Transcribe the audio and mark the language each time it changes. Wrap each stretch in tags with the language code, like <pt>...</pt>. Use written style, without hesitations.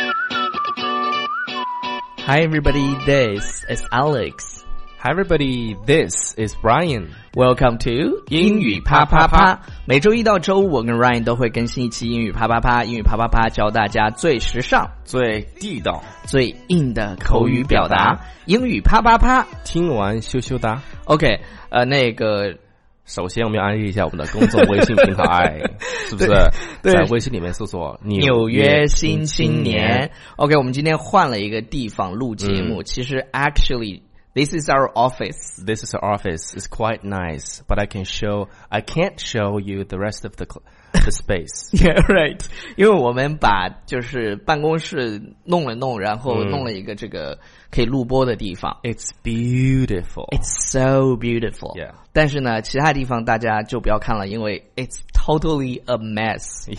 <en>Hi everybody, this is Alex. Hi everybody, this is Brian. Welcome to</en> <zh>英语啪啪啪。每周一到周五，我跟 Ryan 都会更新一期英语啪啪啪。英语啪啪啪教大家最时尚、最地道、最硬的口语表达。英语啪啪啪，听完羞羞哒。 OK， 那个。首先我们要安利一下我们的公众微信平台是不是对在微信里面搜索纽约新青年。 OK， 我们今天换了一个地方录节目、其实</zh> <en>actually this is our office， this is our office， it's quite nice， but I can't show you the rest of the space。 Yeah， right，</en> <zh>因为我们把就是办公室弄了弄，然后弄了一个这个可以录播的地方。</zh> <en>It's beautiful， it's so beautiful。 Yeah，</en> <zh>但是呢其他地方大家就不要看了，因为</zh> <en>it's totally a mess。</en>